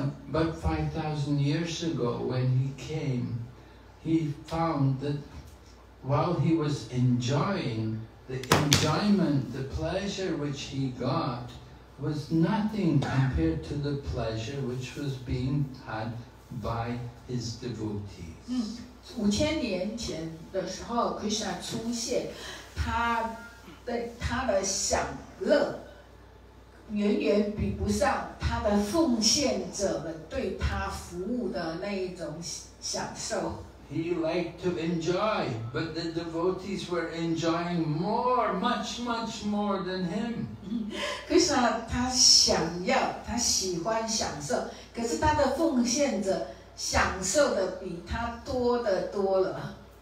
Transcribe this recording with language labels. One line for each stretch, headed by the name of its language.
English: But 5,000 years ago, when he came, he found that while he was enjoying the enjoyment, the pleasure which he got was nothing compared to the pleasure which was being had by his devotees.
Chinese: 5000年前的时候 Krishna 出现，他的享乐远远比不上他的奉献者们对他服务的那一种享受。
English: He liked to enjoy, but the devotees were enjoying more, much more than him.
Chinese: Krishna 他喜欢享受，可是他的奉献者。享受的比他多得多了。